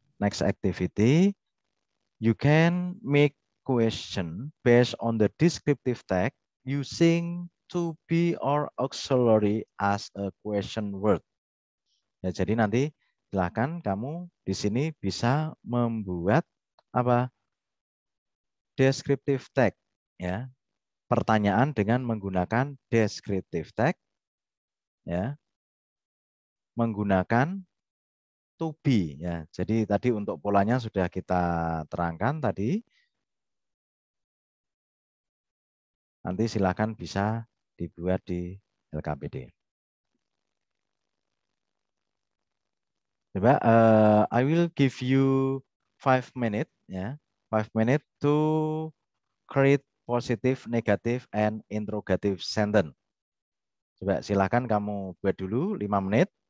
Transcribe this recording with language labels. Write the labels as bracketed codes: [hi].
[en] Next activity you can make question based on the descriptive tag using to be or auxiliary as a question word. [id] Ya, jadi nanti silakan kamu di sini bisa membuat apa descriptive tag ya pertanyaan dengan menggunakan descriptive tag ya menggunakan to be ya jadi tadi untuk polanya sudah kita terangkan tadi nanti silakan bisa dibuat di LKPD. [en] Coba, I will give you 5 minutes, ya, yeah, 5 minutes to create positive, negative, and interrogative sentence. [id] Coba, silahkan kamu buat dulu 5 menit.